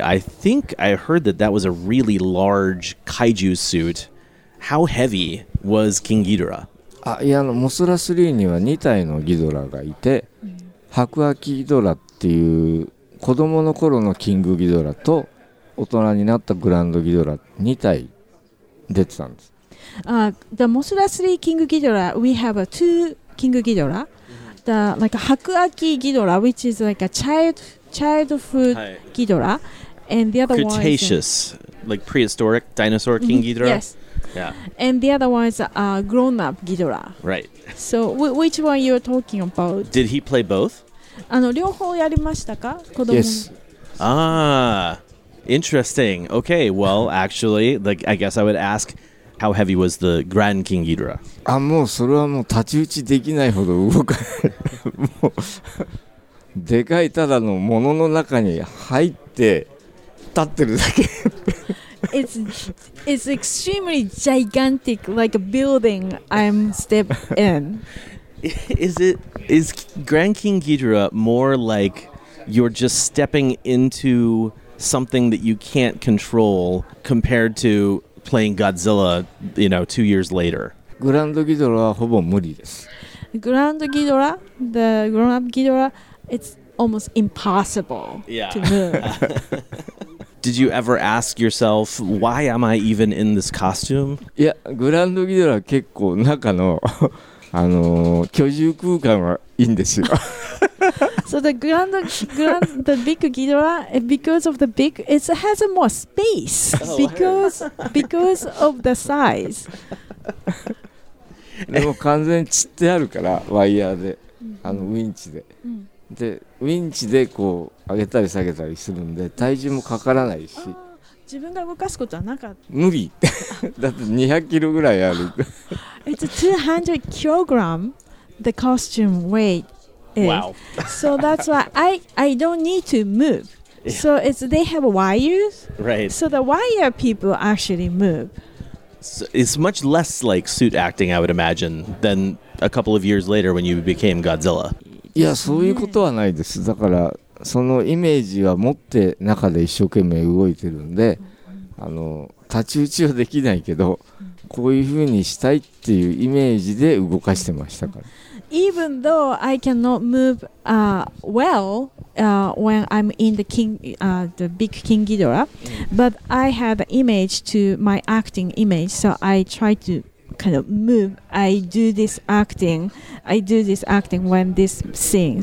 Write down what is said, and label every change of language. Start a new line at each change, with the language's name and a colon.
English: I think I heard that was a really large kaiju suit. How heavy was King Ghidorah?
Japanese: あ、いや、モスラ3には2体のギドラがいて、白亜紀ギドラっていう子供の頃のキングギドラと大人になったグランドギドラ2体出てたんです。
English: The Mothra 3 King Ghidorah, we have two King Ghidorah. The like Hakuaki Ghidorah, which is like a childhood Ghidorah, and the other Cretaceous, one is Cretaceous, like prehistoric dinosaur King Ghidorah. Yes. Yeah. And the other one is grown-up Ghidorah. Right. So which one you're talking about? Did he play both?
Japanese: あの両方やりましたか? 子供?
English: Yes. Ah, interesting. Okay. Well, actually, like I guess I would ask. How heavy was the Grand King Ghidorah?
Japanese: Ah, もうそれはもう立ち打ちできないほど動かない。もうでかいただのものの中に入って立ってるだけ。
English: It's extremely gigantic, like a building I'm step in. Is Grand King Ghidorah more like you're just stepping into something that you can't control compared to playing Godzilla, you know, 2 years later. Grand Ghidorah is almost impossible. Grand Ghidorah, the grown-up Ghidorah, it's almost impossible to move. Did you ever ask yourself, why am I even in this costume? Yeah, Grand Ghidorah is quite inside the residential space. So the grand, the big Ghidorah, because of the big, it has more space because of the size.
Japanese: でも完全に釣ってあるからワイヤーで、あのウィンチで、でウィンチでこう上げたり下げたりするんで体重もかからないし。自分が動かすことはなかった。無理。だって200キロぐらいある。
English: It's 200 kilogram. The costume weight. Wow. So that's why I don't need to move. So it's they have wires. Right. So the wire people actually move. So it's much less like suit acting, I would imagine, than a couple of years later when you became Godzilla.
Japanese: Yeah, そういうことはないです。だから。そのイメージは持って中で一生懸命動いてるんで、あの立ち打ちはできないけど、こういうふうにしたいっていうイメージで動かしてましたから。
English: Even though I cannot move well when I'm in the king, the big King Ghidorah, but I had image to my acting image, so I try to kind of move. I do this acting when this scene.